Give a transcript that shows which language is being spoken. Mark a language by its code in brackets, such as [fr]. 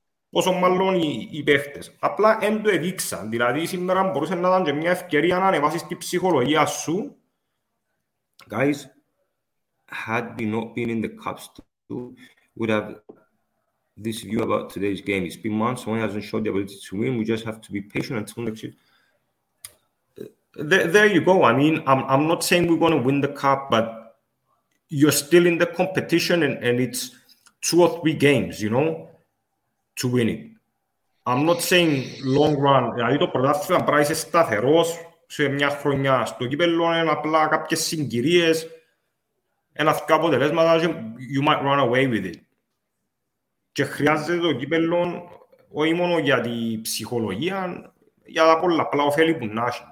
[el] πόσο μάλλον οι παίχτες απλά εν το εδείξαν δηλαδή σήμερα μπορούσε να ήταν και μια ευκαιρία να ανεβάσεις την ψυχολογία σου [en] guys had we not been in the cups too, would have this view about today's game. It's been months, someone hasn't showed the ability to win. We just have to be patient until next year. There you go. I mean, I'm not saying we're going to win the cup, but you're still in the competition and it's two or three games, you know, to win it. I'm not saying long run. [el] Δηλαδή το πρωτάθλημα πρέπει να είσαι σταθερός σε μια χρονιά. Στο κύπελλο είναι απλά κάποιες συγκυρίες, ένα θετικό αποτελέσμα, [en] you might run away with it. [el] Και χρειάζεται το κύπελλο όχι μόνο για την ψυχολογία, για τα πολλά απλά ωφέλη που να έχει.